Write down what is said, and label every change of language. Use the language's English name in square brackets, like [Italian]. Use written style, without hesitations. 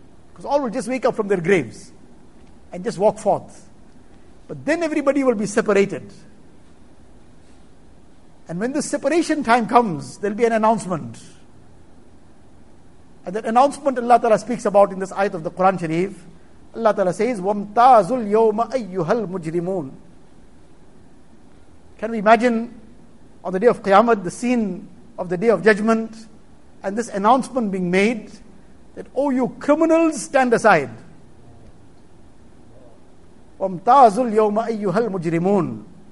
[English] Because all will just wake up from their graves and just walk forth. But then everybody will be separated. And when the separation time comes, there'll be an announcement. And that announcement Allah Ta'ala speaks about in this ayat of the Quran Sharif. Allah Ta'ala says, [Arabic] وَمْتَازُ الْيَوْمَ أَيُّهَا الْمُجْرِمُونَ. [English] Can we imagine on the day of Qiyamah, the scene of the day of judgment, and this announcement being made that, oh you criminals, stand aside. [Arabic] وَمْتَازُ الْيَوْمَ أَيُّهَا الْمُجْرِمُونَ.